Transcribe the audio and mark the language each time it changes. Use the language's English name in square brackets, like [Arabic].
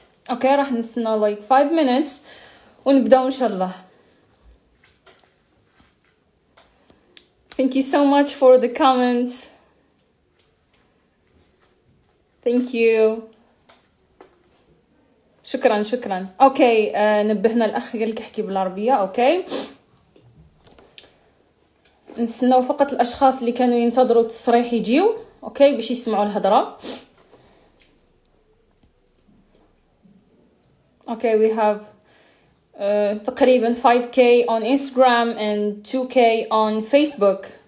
[Arabic] Okay, راح نستنى [English] like 5 minutes [Arabic] ونبداو إن شاء الله. [English] Thank you so much for the comments. Thank you. [Arabic] شكراً شكراً. Okay, نبهنا الأخ قال لك احكي بالعربية. [English] Okay. [Arabic] نستناو فقط الأشخاص اللي كانوا ينتظروا التصريح يجيو. Okay, باش يسمعوا الهضرة. [English] Okay, we have [Arabic] تقريبا [English] 5k on Instagram and 2k on Facebook.